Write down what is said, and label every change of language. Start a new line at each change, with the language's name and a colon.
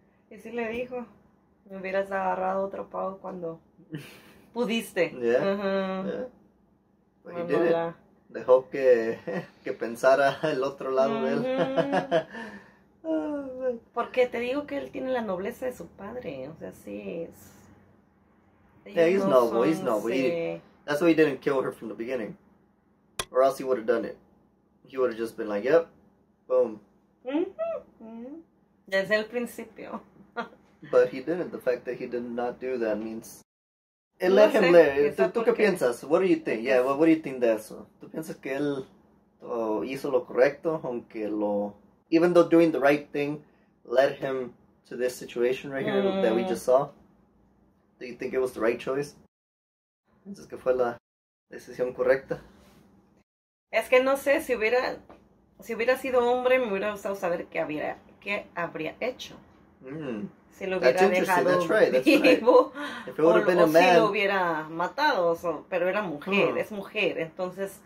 Spanish: Y si le dijo, me hubieras agarrado otro pavo cuando pudiste.
English: Yeah. Uh-huh. Yeah. But he did it.
Spanish: Dejó que pensara el otro lado de él. Porque te digo que él tiene la nobleza de su padre. O sea, sí es.
English: Yeah, he's noble. He's noble. That's why he didn't kill her from the beginning. Or else he would have done it. He would have just been like, yep, boom. Mm-hmm.
Spanish: Mm-hmm. Desde el principio.
English: But he didn't. The fact that he did not do that means... It let him live.
Spanish: ¿Tú qué piensas?
English: What do you think? Yeah, well, what do you think
Spanish: de eso? ¿Tú piensas que él hizo lo correcto? Aunque lo...
English: Even though doing the right thing led him to this situation right here that we just saw. Do you think it was the right choice?
Spanish: ¿Piensas que fue la decisión correcta? Es que no sé, si hubiera sido hombre, me hubiera gustado saber qué habría hecho. Si lo hubiera dejado vivo, o si lo hubiera matado, pero era mujer, es mujer, entonces...